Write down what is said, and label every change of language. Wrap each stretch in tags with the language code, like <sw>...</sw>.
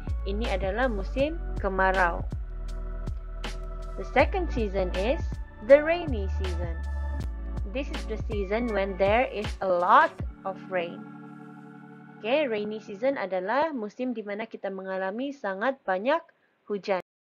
<ms>Ini adalah musim kemarau.</ms> <en>The second season is the rainy season. This is the season when there is a lot of rain.</en> <ms>Okay, rainy season adalah musim di mana kita mengalami sangat banyak hujan.</ms>